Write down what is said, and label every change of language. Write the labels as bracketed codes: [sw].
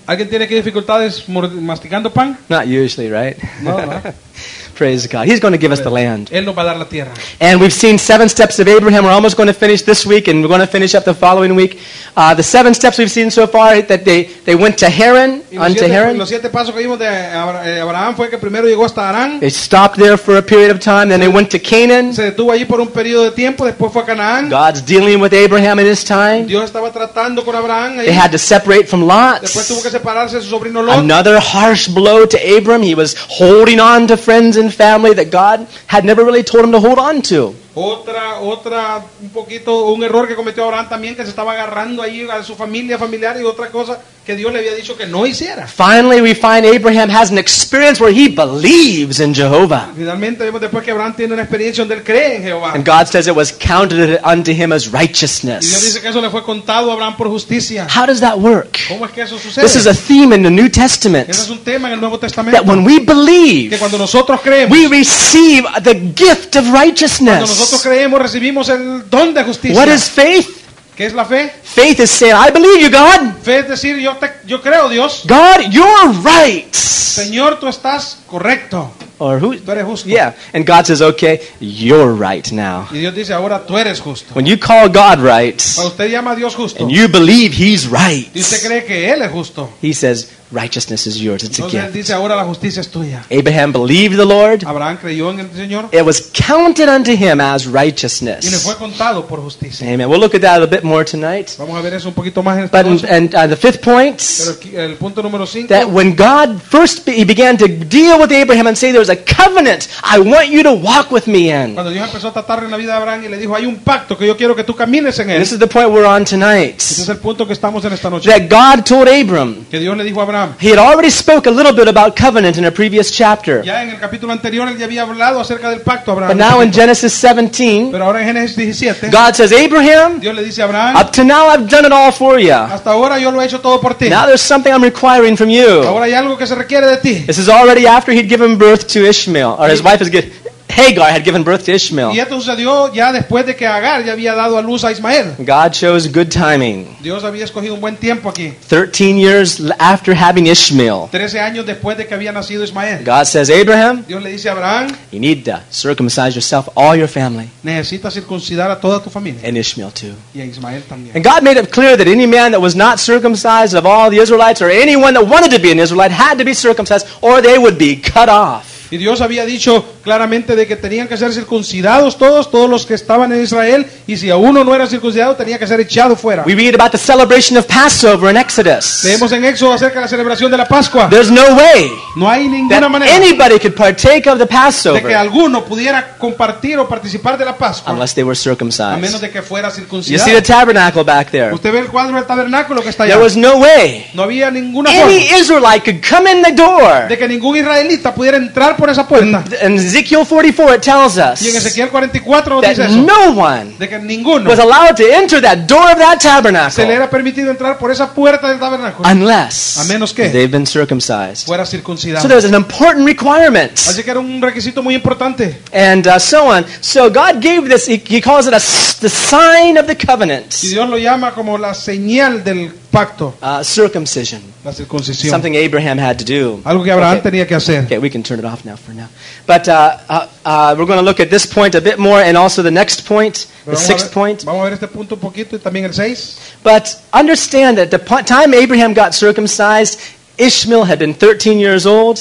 [es] ¿Alguien tiene que dificultades masticando pan? [en] Not usually, right? No. Praise God. He's going to give us the land. [es] Él nos va a dar la tierra. [en] And we've seen seven steps of Abraham. We're almost going to finish this week, and we're going to finish up the following week. The seven steps we've seen so far, that they went to Haran, unto Haran. [es] Los siete pasos que vimos de Abraham fue que primero llegó hasta Harán. [en] They stopped there for a period of time, then they went to Canaan. [es] Se detuvo allí por un periodo de tiempo, después fue a Canaán. [en] God's dealing with Abraham in his time. [es] Dios estaba tratando con Abraham. [en] They had to separate from Lot. [es] Después tuvo que separarse de su sobrino Lot. [en] Another harsh blow to Abram. He was holding on to friends and family that God had never really told him to hold on to. [es] Otra un poquito un error que cometió Abraham también, que se estaba agarrando ahí a su familia familiar y otra cosa que Dios le había dicho que no hiciera. [en] Finally, we find Abraham has an experience where he believes in Jehovah. [es] Finalmente vemos después que Abraham tiene una experiencia donde él cree en Jehová. [en] And God says it was counted unto him as righteousness. [es] Y Dios dice que eso le fue contado a Abraham por justicia. [en] How does that work? [es] ¿Cómo es que eso sucede? [en] This is a theme in the New Testament. [es] Ese es un tema en el Nuevo Testamento. [en] That when we believe, [es] que cuando nosotros creemos, [en] we receive the gift of righteousness. [es] Cuando nosotros creemos, recibimos el don de justicia. [en] What is faith? [es] ¿Qué es la fe? [en] Faith is saying, I believe you, God. [es] Fe es decir, yo creo, Dios. [en] God, you're right. [es] Señor, tú estás correcto. [en] Or who? [es] Tú eres justo. [en] Yeah, and God says, okay, you're right now. [es] Y Dios dice, ahora tú eres justo. [en] When you call God right, [es] cuando usted llama a Dios justo, [en] and you believe he's right, [es] y usted cree que él es justo, [en] he says, righteousness is yours. It's a gift. [es] Entonces, dice, ahora la justicia es tuya. [en] Abraham believed the Lord. [es] Abraham creyó en el Señor. [en] It was counted unto him as righteousness. [es] Y le fue contado por justicia. [en] Amen. We'll look at that a bit more tonight. [es] Vamos a ver eso un poquito más en esta [en] but noche. And the fifth point, [es] el punto número cinco, [en] that when God first he began to deal with Abraham and say, there's a covenant I want you to walk with me in. [es] Cuando Dios empezó a tratar en la vida de Abraham y le dijo, hay un pacto que yo quiero que tú camines en él. [en] This is the point we're on tonight. [es] Este es el punto que estamos en esta noche. [en] That God told Abram. [es] Que Dios le dijo a Abraham. [en] He had already spoke a little bit about covenant in a previous chapter. [es] Ya en el capítulo anterior él ya había hablado acerca del pacto a Abraham. [en] But now in Genesis 17, [es] pero ahora en Génesis 17, [en] God says, Abraham, [es] Dios le dice a Abraham, [en] up to now I've done it all for you. [es] Hasta ahora yo lo he hecho todo por ti. [en] Now there's something I'm requiring from you. [es] Ahora hay algo que se requiere de ti. [en] This is already after he'd given birth to Ishmael, or his wife has given. Hagar had given birth to Ishmael. [es] Y esto sucedió ya después de que Agar ya había dado a luz a Ismael. [en] God chose good timing. [es] Dios había escogido un buen tiempo aquí. [en] 13 years after having Ishmael. [es] 13 años después de que había nacido Ismael. [en] God says, Abraham, [es] Dios le dice a Abraham, [en] you need to circumcise yourself, all your family. [es] Necesitas circuncidar a toda tu familia. [en] And Ishmael too. [es] Y a Ismael también. [en] And God made it clear that any man that was not circumcised of all the Israelites or anyone that wanted to be an Israelite had to be circumcised or they would be cut off. [es] Y Dios había dicho claramente de que tenían que ser circuncidados todos los que estaban en Israel, y si uno no era circuncidado tenía que ser echado fuera. [en] We read about the celebration of Passover in Exodus. [es] Leemos en Éxodo acerca de la celebración de la Pascua. [en] There's no way. [es] No hay ninguna manera. [en] Anybody could partake of the Passover. [es] De que alguno pudiera compartir o participar de la Pascua. [en] Unless they were circumcised. [es] A menos de que fuera circuncidado. [en] You see the tabernacle back there. [es] Usted ve el cuadro del tabernáculo que está allá. [en] There was no way. [es] No había ninguna [en] forma. Any Israelite could come in the door. [es] De que ningún israelita pudiera entrar por esa puerta. [en] In Ezekiel 44 it tells us [es] y en Ezequiel 44 [en] that [es] dice eso, [en] no one [es] de que ninguno [en] was allowed to enter that door of that tabernacle [es] se le era permitido entrar por esa puerta del tabernáculo [en] unless [es] a menos que [en] they've been circumcised. [es] Fuera circuncidado. [en] So there's an important requirement. [es] Así que era un requisito muy importante. [en] And so on. So God gave this, he calls it the sign of the covenant. [es] Y Dios lo llama como la señal del pacto. [en] Circumcision. [es] La circuncisión. [en] Something Abraham had to do. [es] Algo que Abraham [en] okay. [es] tenía que hacer. [en] Okay, we can turn it off now for now. But we're going to look at this point a bit more and also the next point, [es] pero [en] the sixth point. [es] Vamos a ver este punto un poquito y también el seis. [en] But understand that the time Abraham got circumcised, Ishmael had been 13 years old.